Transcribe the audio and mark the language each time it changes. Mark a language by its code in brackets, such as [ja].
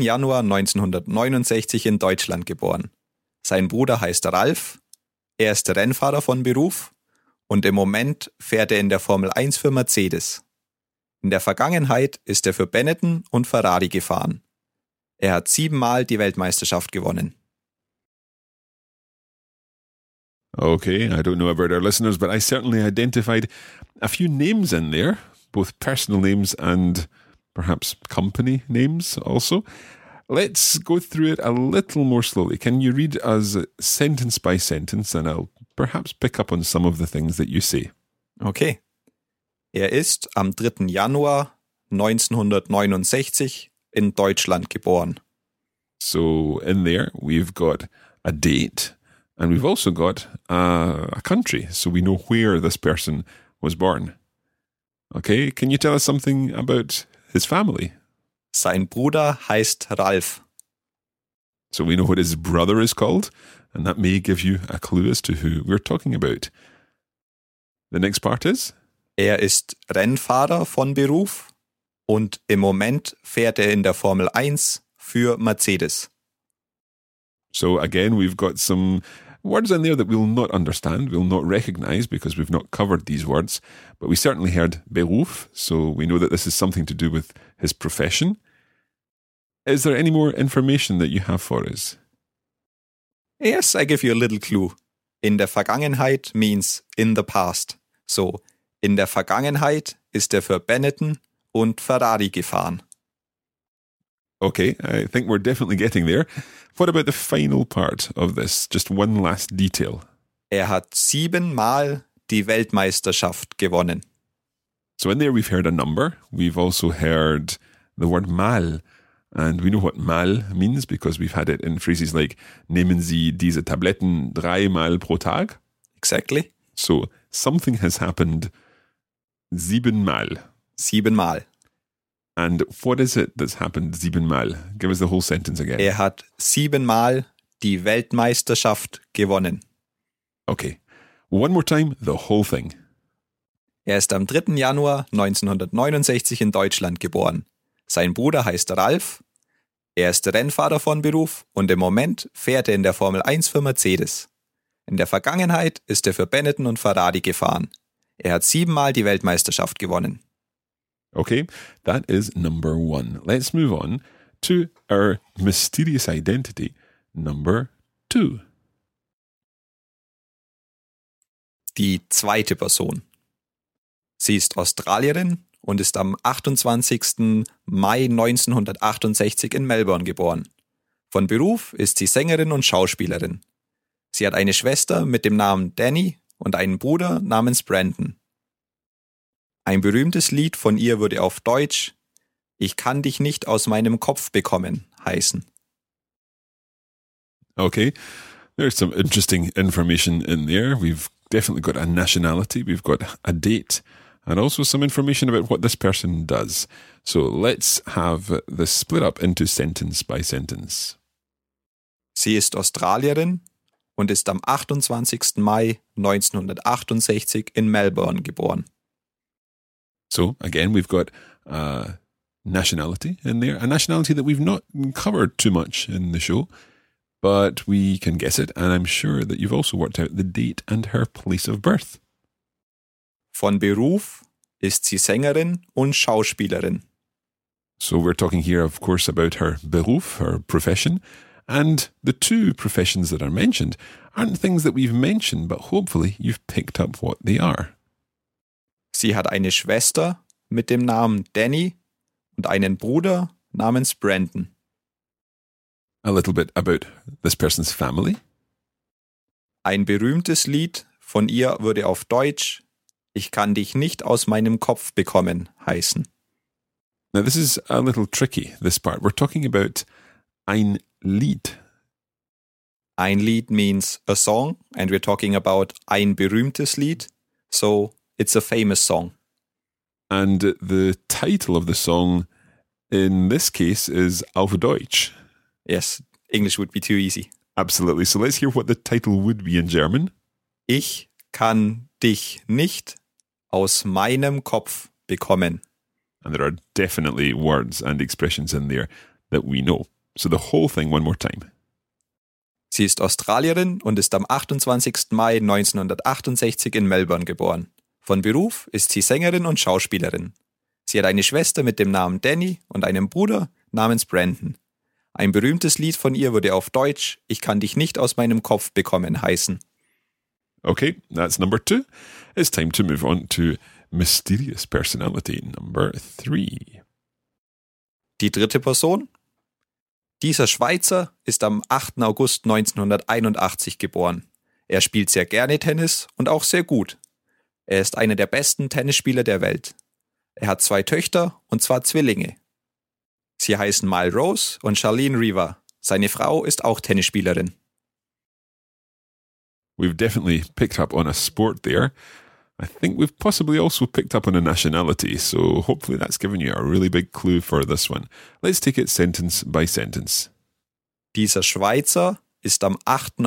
[de] Januar 1969 in Deutschland geboren. Sein Bruder heißt Ralf, er ist Rennfahrer von Beruf und im Moment fährt er in der Formel 1 für Mercedes. In der Vergangenheit ist er für Benetton und Ferrari gefahren. Er hat 7-mal die Weltmeisterschaft gewonnen. [en] Okay, I don't know about our listeners, but I certainly identified a few names in there, both personal names and perhaps company names also. Let's go through it a little more slowly. Can you read us sentence by sentence, and I'll perhaps pick up on some of the things that you say. [de] Okay. Er ist am 3. Januar 1969 in Deutschland geboren. [en] So in there we've got a date and we've also got a country, so we know where this person was born. Okay, can you tell us something about his family? [de] Sein Bruder heißt Ralf. [en] So we know what his brother is called, and that may give you a clue as to who we're talking about. The next part is? [de] Er ist Rennfahrer von Beruf und im Moment fährt er in der Formel 1 für Mercedes. [en] So again, we've got some words in there that we'll not understand, we'll not recognize because we've not covered these words, but we certainly heard Beruf, so we know that this is something to do with his profession. Is there any more information that you have for us? Yes, I give you a little clue. [de] In der Vergangenheit [en] means in the past. [de] So, in der Vergangenheit ist er für Benetton und Ferrari gefahren. [en] Okay, I think we're definitely getting there. What about the final part of this? Just one last detail. [de] Er hat 7-mal die Weltmeisterschaft gewonnen. [en] So in there we've heard a number. We've also heard the word mal. And we know what mal means because we've had it in phrases like [de] nehmen Sie diese Tabletten 3-mal pro Tag? [en] Exactly. So something has happened 7-mal. [de] 7-mal. [en] And what is it that's happened 7-mal? Give us the whole sentence again. [de] Er hat 7-mal die Weltmeisterschaft gewonnen. [en] Okay. One more time, the whole thing. [de] Er ist am 3. Januar 1969 in Deutschland geboren. Sein Bruder heißt Ralf. Er ist Rennfahrer von Beruf und im Moment fährt er in der Formel 1 für Mercedes. In der Vergangenheit ist er für Benetton und Ferrari gefahren. Er hat 7-mal die Weltmeisterschaft gewonnen. [en] Okay, that is number one. Let's move on to our mysterious identity, number two. [de] Die zweite Person. Sie ist Australierin und ist am 28. Mai 1968 in Melbourne geboren. Von Beruf ist sie Sängerin und Schauspielerin. Sie hat eine Schwester mit dem Namen Danny und einen Bruder namens Brandon. Ein berühmtes Lied von ihr würde auf Deutsch »Ich kann dich nicht aus meinem Kopf bekommen« heißen. [en] Okay, there's some interesting information in there. We've definitely got a nationality, we've got a date, and also some information about what this person does. So let's have this split up into sentence by sentence. [de] Sie ist Australierin und ist am 28. Mai 1968 in Melbourne geboren. [en] So, again, we've got a nationality in there, a nationality that we've not covered too much in the show, but we can guess it, and I'm sure that you've also worked out the date and her place of birth. [de] Von Beruf ist sie Sängerin und Schauspielerin. [en] So we're talking here, of course, about her Beruf, her profession, and the two professions that are mentioned aren't things that we've mentioned, but hopefully you've picked up what they are. [de] Sie hat eine Schwester mit dem Namen Danny und einen Bruder namens Brandon. [en] A little bit about this person's family. [de] Ein berühmtes Lied von ihr würde auf Deutsch »Ich kann dich nicht aus meinem Kopf bekommen« heißen. [en] Now this is a little tricky, this part. We're talking about [de] ein Lied. Ein Lied [en] means a song and we're talking about [de] ein berühmtes Lied. [en] So, it's a famous song. And the title of the song in this case is [de] Auf Deutsch. [en] Yes, English would be too easy. Absolutely. So let's hear what the title would be in German. [de] Ich kann dich nicht aus meinem Kopf bekommen. [en] And there are definitely words and expressions in there that we know. So the whole thing one more time. [de] Sie ist Australierin und ist am 28. Mai 1968 in Melbourne geboren. Von Beruf ist sie Sängerin und Schauspielerin. Sie hat eine Schwester mit dem Namen Danny und einen Bruder namens Brandon. Ein berühmtes Lied von ihr würde auf Deutsch »Ich kann dich nicht aus meinem Kopf bekommen« heißen. [en] Okay, that's number two. It's time to move on to mysterious personality number three. [de] Die dritte Person. Dieser Schweizer ist am 8. August 1981 geboren. Er spielt sehr gerne Tennis und auch sehr gut. Er ist einer der besten Tennisspieler der Welt. Er hat zwei Töchter, und zwar Zwillinge. Sie heißen Mal Rose und Charlene Riva. Seine Frau ist auch Tennisspielerin. [en] We've definitely picked up on a sport there. I think we've possibly also picked up on a nationality, so hopefully that's given you a really big clue for this one. Let's take it sentence by sentence. [de] Dieser Schweizer ist am 8.